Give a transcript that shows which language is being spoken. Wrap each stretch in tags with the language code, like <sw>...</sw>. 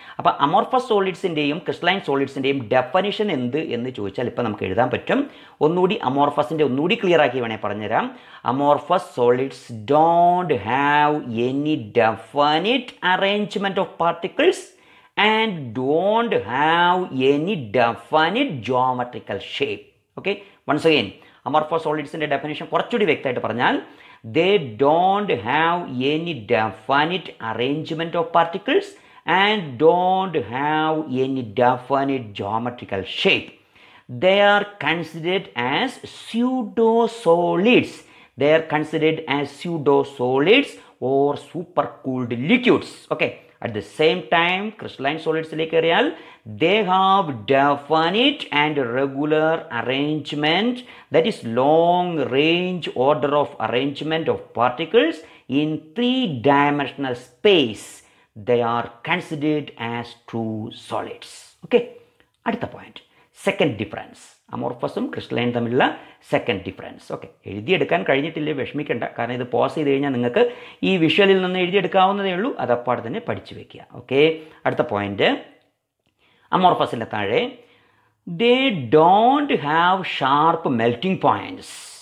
<ml>അപ്പോൾ amorphous സോളിഡ്സിൻ്റെയും crystalline സോളിഡ്സിൻ്റെയും definition എന്ത് എന്ന് ചോദിച്ചാൽ ഇപ്പോൾ നമുക്ക് എഴുതാൻ പറ്റും. ഒന്നുകൂടി അമോർഫസിൻ്റെ ഒന്നുകൂടി ക്ലിയർ ആക്കി വേണേൽ പറഞ്ഞുതരാം.</ml> <en>Amorphous solids don't have any definite arrangement of particles and don't have any definite geometrical shape. Okay, once again, amorphous solids in the definition</en> <ml>korchudi vyaktayittu paranjal,</ml> <en>they don't have any definite arrangement of particles and don't have any definite geometrical shape. They are considered as pseudo solids. They are considered as pseudo solids or super cooled liquids. Okay, at the same time crystalline solids like areal, they have definite and regular arrangement, that is long range order of arrangement of particles in three dimensional space. They are considered as true solids. Okay,</en> <ml>adutha</ml> <en>point, second difference,</en> <ml>അമോർഫസും crystalline തമ്മിലുള്ള second difference. Okay, എഴുതിയെടുക്കാൻ കഴിഞ്ഞിട്ടില്ല, വിഷമിക്കേണ്ട, കാരണം ഇത് pose ചെയ്ത് കഴിഞ്ഞാൽ നിങ്ങൾക്ക് ഈ വിഷ്വലിൽ നിന്ന് എഴുതിയെടുക്കാവുന്നതേ ഉള്ളൂ. അതപ്പാടെ തന്നെ പഠിച്ചു വെക്കുക. ഓക്കെ, അടുത്ത പോയിന്റ്, അമോർഫസിൻ്റെ താഴെ,</ml> <en>They don't have sharp melting points.</en>